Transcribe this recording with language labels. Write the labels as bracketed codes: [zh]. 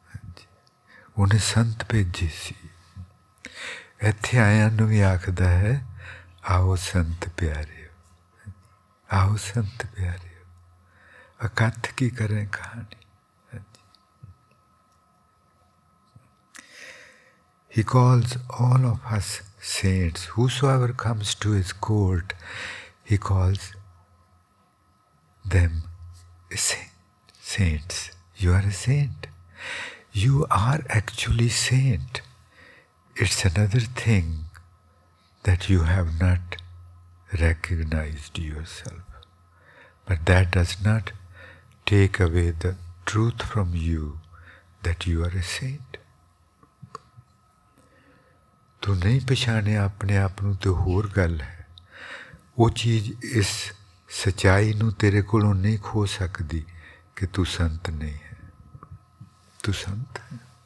[pa] ਹਾਂਜੀ, ਉਹਨੇ ਸੰਤ ਭੇਜੇ ਸੀ, ਇੱਥੇ ਆਇਆਂ ਨੂੰ ਵੀ ਆਖਦਾ ਹੈ ਆਓ ਸੰਤ ਪਿਆਰੇ, ਆਓ ਸੰਤ ਪਿਆਰੇ, ਇਕੱਠ ਕੀ ਕਰੇ ਕਹਾਣੀ। [en] He calls all of us saints. Whosoever comes to His court, He calls them saints. You are a saint. You are actually saint. It's another thing that you have not recognized yourself. But that does not take away the truth from you that you are a saint. [pa] ਤੂੰ ਨਹੀਂ ਪਛਾਣਿਆ ਆਪਣੇ ਆਪ ਨੂੰ ਤਾਂ ਹੋਰ ਗੱਲ ਹੈ, ਉਹ ਚੀਜ਼ ਇਸ ਸੱਚਾਈ ਨੂੰ ਤੇਰੇ ਕੋਲੋਂ ਨਹੀਂ ਖੋ ਸਕਦੀ ਕਿ ਤੂੰ ਸੰਤ ਨਹੀਂ ਹੈ, ਤੂੰ ਸੰਤ ਹੈ।